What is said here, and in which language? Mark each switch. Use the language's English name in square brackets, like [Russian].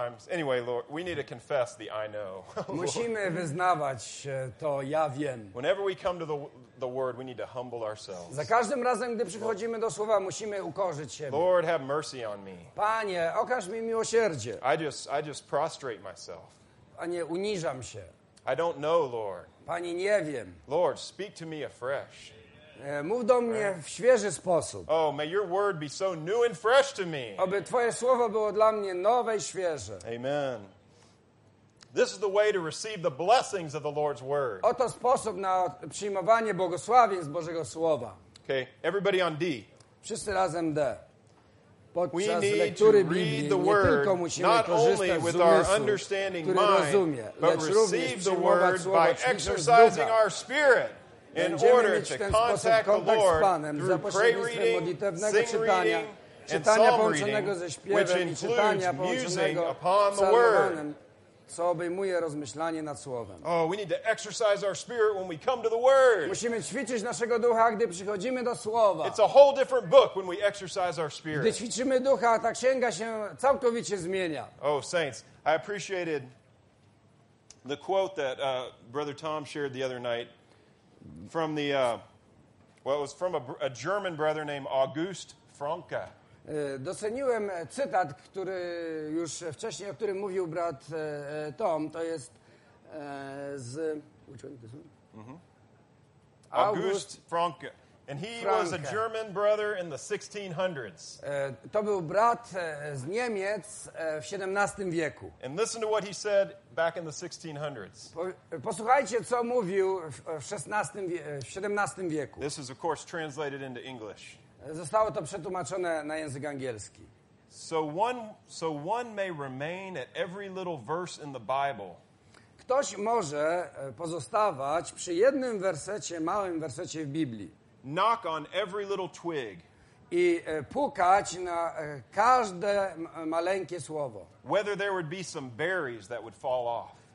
[English] Anyway, Lord, we need to confess the I know. [Polish] Musimy wyznawać to ja wiem. [English] Whenever we come to the word, we need to humble ourselves. [Polish] Za każdym razem, gdy przychodzimy do słowa, musimy ukorzyć się. [English] Lord, have mercy on me. [Polish] Panie, okaż mi miłosierdzie. [English] I just prostrate myself. [Polish] Panie, uniżam się. [English] I don't know, Lord. [Polish] Panie, nie wiem. [English] Lord, speak to me afresh. [Polish] Mów do mnie w świeży sposób. [English] Oh, may your word be so new and fresh to me. [Polish] Aby twoje słowo było dla mnie nowe i świeże. [English] Amen. This is the way to receive the blessings of the Lord's word. [Polish] Oto sposób na przyjmowanie błogosławieństw Bożego słowa. [English] Okay, everybody on D. [Polish] Wszyscy razem D. Podczas lektury Biblii nie tylko musimy korzystać z umysłu, który rozumie, lecz również przyjmować słowa [English] by exercising our spirit. In order [Polish] mieć ten sposób kontakt z Panem za pośrednictwem modlitewnego czytania, czytania połączonego ze śpiewem i czytania połączonego z psalmowanym, co obejmuje rozmyślanie nad Słowem. [English] Oh, we need to exercise our spirit when we come to the Word. [Polish] Musimy ćwiczyć naszego ducha, gdy przychodzimy do Słowa. [English] It's a whole different book when we exercise our spirit. [Polish] Gdy ćwiczymy ducha, ta księga się całkowicie zmienia. [English] Oh, saints, I appreciated the quote that Brother Tom shared the other night. From the, it was from a German brother named August Franke. [Polish] Doceniłem cytat, który już wcześniej, o którym mówił brat Tom, to jest z... August Franke. [English] And he was a German brother in the 1600s. [Polish] To był brat z Niemiec w XVII wieku. [English] And listen to what he said back in the 1600s. [Polish] Posłuchajcie, co mówił w XVII wieku. [English] This is, of course, translated into English. [Polish] Zostało to przetłumaczone na język angielski. [English] So one may remain at every little verse in the Bible. [Polish] Ktoś może pozostawać przy jednym wersecie, małym wersecie w Biblii. [English] Knock on every little twig. [Polish] I pukać na każde maleńkie słowo. [English] Whether there would be some berries that would fall off.